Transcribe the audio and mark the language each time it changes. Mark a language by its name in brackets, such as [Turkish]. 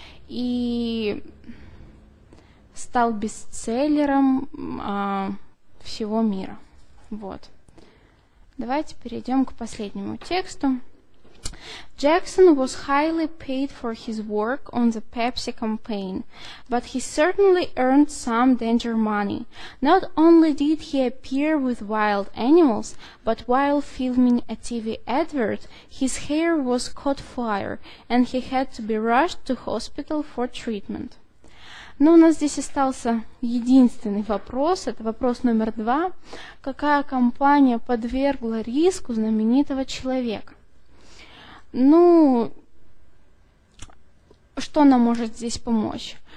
[Russian] И стал бестселлером всего мира. Вот. Давайте перейдем к последнему тексту. [English] Jackson was highly paid for his work on the Pepsi campaign, but he certainly earned some danger money. Not only did he appear with wild animals, but while filming a TV advert, his hair was caught fire, and he had to be rushed to hospital for treatment. [Russian] Ну, у нас здесь остался единственный вопрос, это вопрос номер два. Какая компания подвергла риску знаменитого человека? Ну, что нам может здесь помочь?